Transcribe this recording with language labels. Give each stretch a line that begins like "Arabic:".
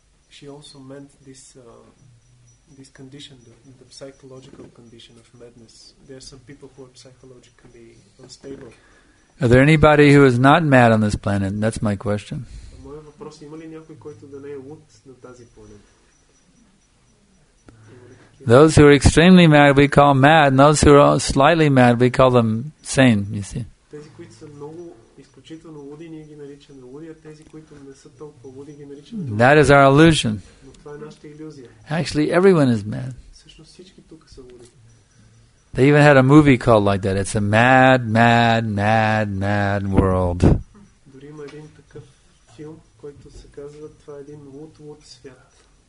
English: She also meant this condition, the psychological condition of madness. There are some people who are psychologically unstable. Are there anybody who is not mad on this planet? That's my question.
Bulgarian: Моя въпрос, има ли някой, който да не е луд на тази планета?
English: Those who are extremely mad we call mad, and those who are slightly mad we call them sane, you see.
Bulgarian: Тези, които са много изключително луди, ние ги наричаме луди, а тези, които не са толкова луди, ги наричаме луди.
English: That is our illusion.
Bulgarian: Но това е нашата илюзия.
English: Actually, everyone is mad.
Bulgarian: Всъщност всички тук са луди.
English: They even had a movie called like that. It's a mad, mad, mad, mad world.
Bulgarian: Дори има един такъв филм, който се казва, това е един луд, луд свят.